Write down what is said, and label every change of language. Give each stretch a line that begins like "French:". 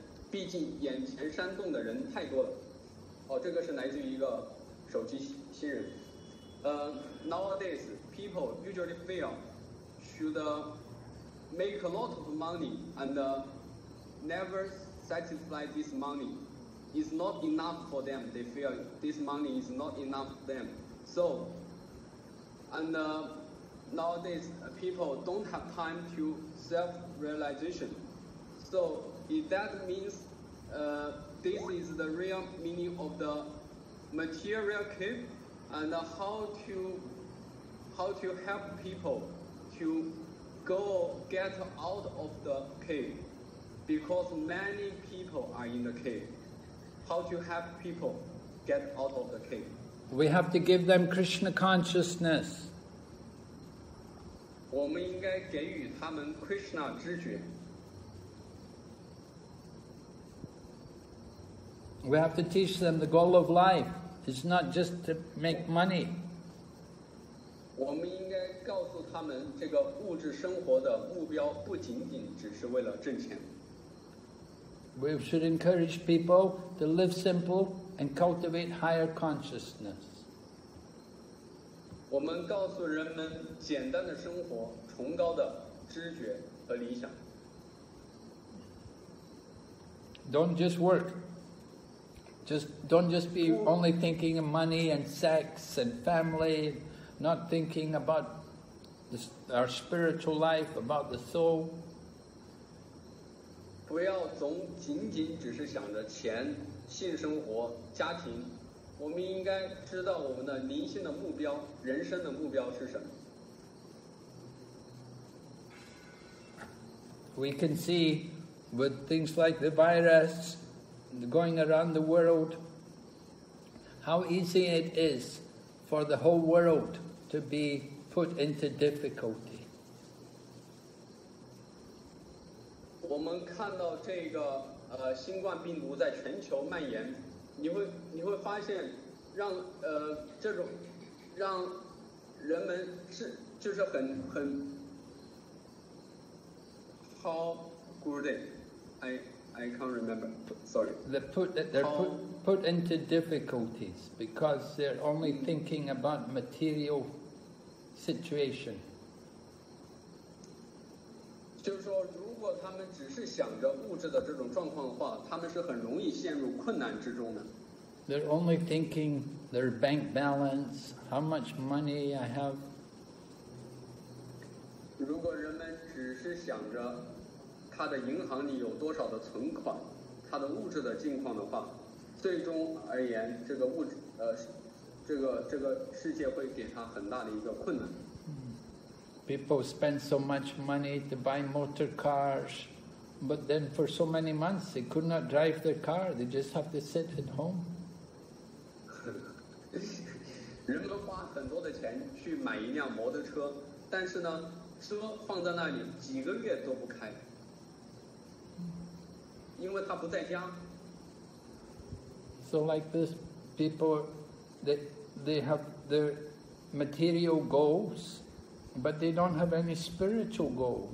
Chinese: 毕竟眼前煽动的人太多了。哦，这个是来自于一个手机新人。
English: Nowadays, people usually feel should make a lot of money and never satisfy this money. It's not enough for them. They feel this money is not enough for them. So, and nowadays, people don't have time to self-realization. So, if that means this is the real meaning of the material keep,and how to help people to go get out of the cave, because many people are in the cave. How to help people get out of the cave? We have to give them Krishna consciousness.
Chinese: 我们应该给予他们 Krishna 知觉。
English: We have to teach them the goal of life. It's not just to make money.
Chinese: 我们应该告诉他们，这个物质生活的目标不仅仅只是为了挣钱。
English: We should encourage people to live simple and cultivate higher consciousness.
Chinese: 我们告诉人们简单的生活，崇高的知觉和理想。
English: Don't just work. Don't just be only thinking of money and sex and family, not thinking about our spiritual life, about the soul.
Chinese: 不要总仅仅只是想着钱、性生活、家庭。我们应该知道我们的灵性的目标、人生的目标是什么。
English: We can see with things like the virus,going around the world, how easy it is for the whole world to be put into difficulty.
Chinese: 我们看到这个新冠病毒在全球蔓延，你会发现让这种让人们是就是很
English: how good it I can't remember. Sorry. They're put into difficulties because they're only thinking about material situation.
Chinese: 就是说，如果他们只是想着物质的这种状况的话，他们是很容易陷入困难之中的。
English: They're only thinking their bank balance, how much money I have.
Chinese: 如果人们只是想着他的银行里有多少的存款，他的物质的境况的话，最终而言，这个物质，这个世界会给他很大的一个困难。
English: People spend so much money to buy motor cars, but then for so many months they could not drive their car. They just have to sit at home.
Chinese: 人们花很多的钱去买一辆摩托车，但是呢，车放在那里几个月都不开，因为他不在家。
English: So like this, people, they have their material goals, but they don't have any spiritual goal.